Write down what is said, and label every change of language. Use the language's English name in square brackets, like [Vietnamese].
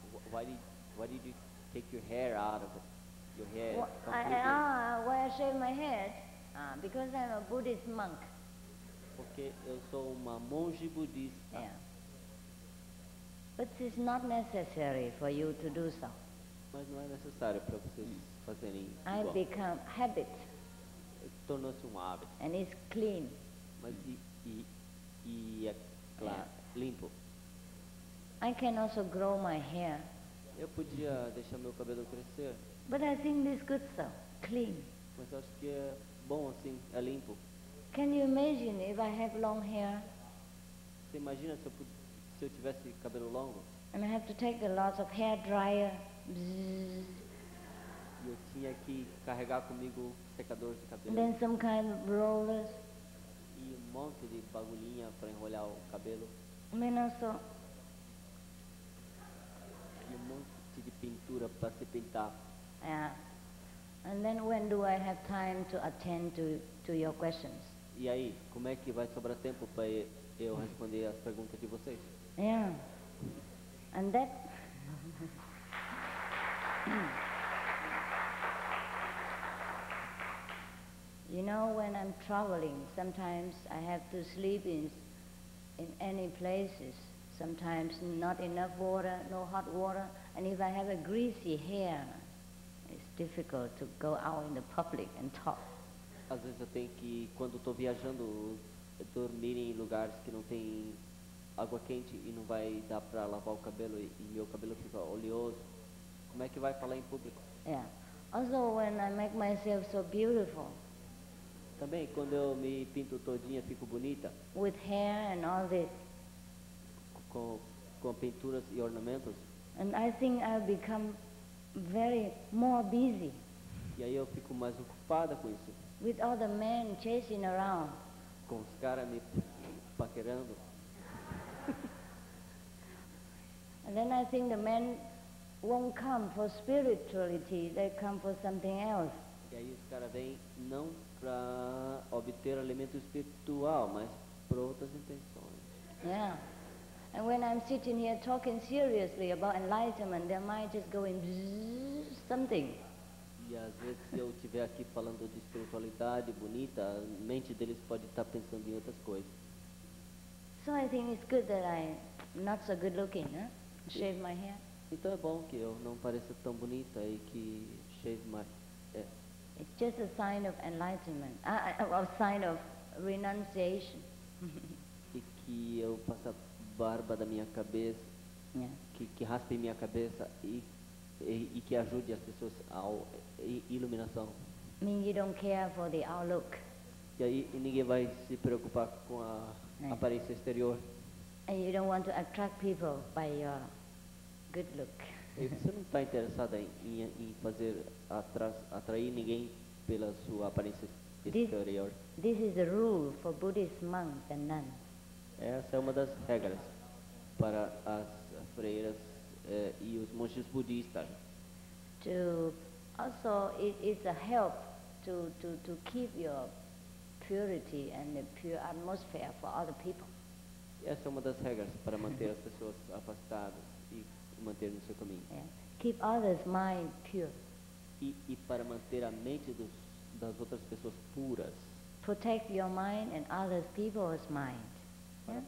[English] Why did you take your hair out of it? Your hair why I shave my head? Because I'm a Buddhist monk. [Portuguese] Porque eu sou uma monge budista. [English] Yeah. But it's not necessary for you to do so. [Portuguese] Mas não é necessário para vocês fazerem igual. [English] I become habit. [Portuguese] Tornou-se hábito. [English] And it's clean. [Portuguese] Mas e é claro, yeah. Limpo. [English] I can also grow my hair. [Portuguese] Eu podia deixar meu cabelo crescer. [English] But I think it's good so, clean. [Portuguese] Mas acho que é bom assim, é limpo. [English] Can you imagine if I have long hair? [Portuguese] Você imagina se eu tivesse cabelo longo? [English] And I have to take a lot of hair dryer. [Portuguese] Eu tinha que carregar comigo secadores de cabelo. [English] Then some kind of rollers. [Portuguese] E monte de bagulhinha para enrolar o cabelo. [English] Then also. [Portuguese] E monte de pintura para se pintar. [English] Yeah. And then when do I have time to attend to your questions? [Portuguese] E aí, como é que vai sobrar tempo para eu responder as perguntas de vocês? [English] Yeah. And that. You know, when I'm traveling, sometimes I have to sleep in any places. Sometimes not enough water, no hot water. And if I have a greasy hair, it's difficult to go out in the public and talk. [Portuguese] Às vezes eu tenho que, quando estou viajando, dormir em lugares que não tem água quente e não vai dar para lavar o cabelo e meu cabelo fica oleoso. Como é que vai falar em público? [English] Yeah. Also, when I make myself so beautiful, [Portuguese] Também quando eu me pinto todinha fico bonita. [English] With hair and all this. [Portuguese] Com pinturas e ornamentos. [English] And I think I become very more busy. [Portuguese] E aí eu fico mais ocupada com isso. [English] With all the men chasing around. [Portuguese] Com os caras me paquerando. [English] And then I think the men won't come for spirituality, they come for something else. [Portuguese] E aí os caras vêm não para obter alimento espiritual, mas por outras intenções. [English] Yeah. And when I'm sitting here talking seriously about enlightenment, their mind just going something. [Portuguese] E às vezes se eu estiver aqui falando de espiritualidade bonita, a mente deles pode estar pensando em outras coisas. [English] So I think it's good that I'm not so good looking, huh? Shave my hair. [Portuguese] Então é bom que eu não pareça tão bonita e que [English] shave my It's just a sign of enlightenment, a sign of renunciation. [Portuguese] E que eu faça a barba da minha cabeça, yeah. que raspe minha cabeça e que ajude as pessoas ao iluminação. [English] I mean you don't care for the outlook. [Portuguese] E aí e ninguém vai se preocupar com a aparência exterior. [English] And you don't want to attract people by your good look. [Portuguese] E você não está interessada em fazer atrair ninguém pela sua aparência exterior. [English] This is a rule for Buddhist monks and nuns. [Portuguese] Essa é uma das regras para as freiras e os monges budistas. [English] To also it's a help to keep your purity and the pure atmosphere for other people. [Portuguese] Essa é uma das regras para manter as pessoas afastadas e manter no seu caminho. [English] Yeah. Keep others' mind pure. [Portuguese] E para manter a mente das outras pessoas puras. [English] Protect your mind and other people's mind. [Portuguese] Para yeah?